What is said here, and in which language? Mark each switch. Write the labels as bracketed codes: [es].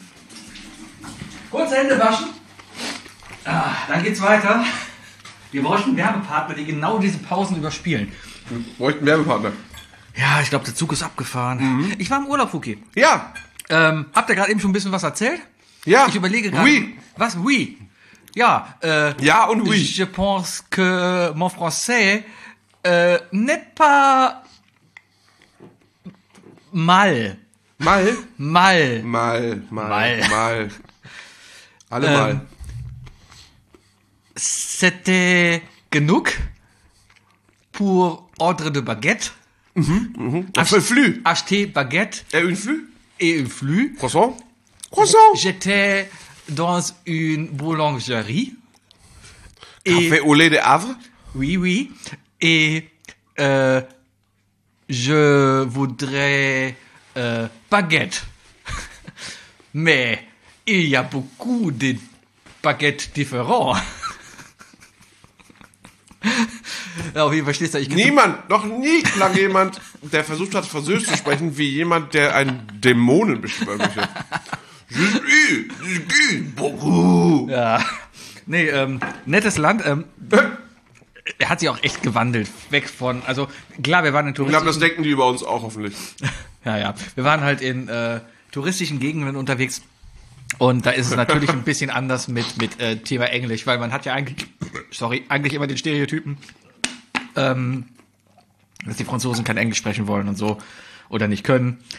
[de] Ja. Kurze Hände waschen. Ah, dann geht's weiter. Wir bräuchten Werbepartner, die genau diese Pausen überspielen. Wir bräuchten Werbepartner. Ja, ich glaube, der Zug ist abgefahren. Ich war im Urlaub, Fuki. Ja. Habt ihr gerade eben schon ein bisschen was erzählt? Ja. Ich überlege gerade. Oui. Was? Oui. Ja. Ja und oui. [fr] Je pense que mon français n'est pas mal. Mal? Mal. Mal. Mal. Mal. [de] Mal. Alle mal. [fr] C'était genug pour ordre de baguette. Un flux. Acheter baguette. Et une flux. Et une flux. Croissant. Croissant. J'étais dans une boulangerie. Café au lait de Havre. Oui, oui. Et je voudrais baguette. Mais il y a beaucoup de baguettes différentes. [de] Ja, auf jeden Fall stehst du, ich niemand, noch nie klang jemand, der versucht hat, Französisch zu sprechen, wie jemand, der einen Dämonen beschwören möchte. [fr] Je suis, je suis, beaucoup. [de] Ja. Nee, nettes Land. Er hat sich auch echt gewandelt. Weg von, also klar, wir waren in touristischen. Ich glaube, das denken die über uns auch hoffentlich. Ja, ja. Wir waren halt in touristischen Gegenden unterwegs. Und da ist es natürlich ein bisschen anders mit Thema Englisch, weil man hat ja eigentlich immer den Stereotypen, dass die Franzosen kein Englisch sprechen wollen und so oder nicht können.